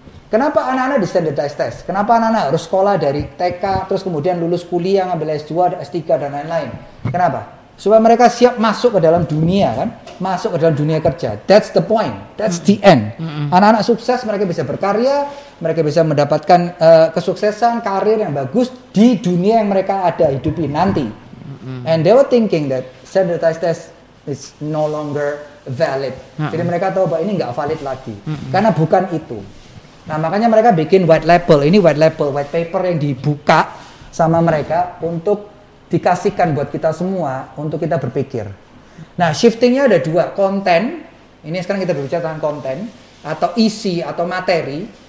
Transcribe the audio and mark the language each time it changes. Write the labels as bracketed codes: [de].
[id] Kenapa anak-anak di standardized test? Kenapa anak-anak harus sekolah dari TK, terus kemudian lulus kuliah, ngambil S2, S3, dan lain-lain? Kenapa? Supaya mereka siap masuk ke dalam dunia, kan? Masuk ke dalam dunia kerja. [en] That's the point. That's the end. [id] Anak-anak sukses, mereka bisa berkarya, mereka bisa mendapatkan kesuksesan, karir yang bagus di dunia yang mereka ada, hidupi nanti. [en] And they were thinking that standardized test is no longer valid. [id] Jadi mereka tahu bahwa ini nggak valid lagi. Karena bukan itu. Nah, makanya mereka bikin white label. Ini white label, white paper yang dibuka sama mereka untuk dikasihkan buat kita semua untuk kita berpikir. Nah, shiftingnya ada 2, konten. Ini sekarang kita berbicara tentang konten atau isi atau materi.